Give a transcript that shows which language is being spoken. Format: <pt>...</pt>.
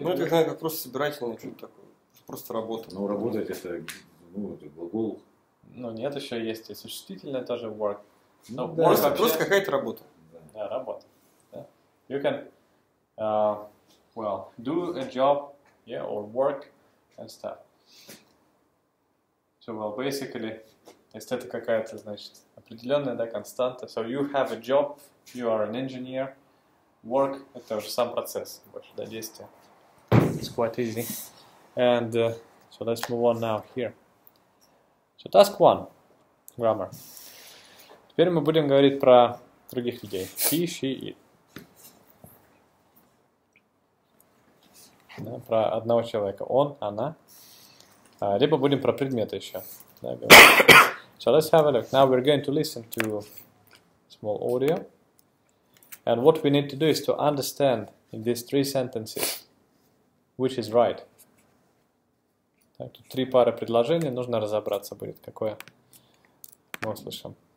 <ru>do? Ну, это, знаю, как просто собирательное, что-то такое. Просто работа. Ну, работать это, ну, это глагол. Ну нет, еще есть и существительное тоже work. Ну, да, work вообще... просто какая-то работа. Да, работа. Да?</ru> <en>You can well do a job, yeah, or work and stuff. So well basically,</en> <ru>если это какая-то, значит, определенная, да, константа.</ru> <en>So you have a job, you are an engineer, work</en> <ru>это уже сам процесс, больше, да, действие.</ru> <en>It's quite easy. And so let's move on now here. So task one, grammar.</en> <ru>Теперь мы будем говорить про других людей.</ru> <en>He, she, it.</en> <ru>Да, про одного человека. Он, она. Либо будем про предметы еще.</ru> <en>Да, so let's have a look. Now we're going to listen to small audio. And what we need to do is to understand in these three sentences which is right.</en> <ru>Так, тут три пары предложений, нужно разобраться будет, какое мы услышим.</ru>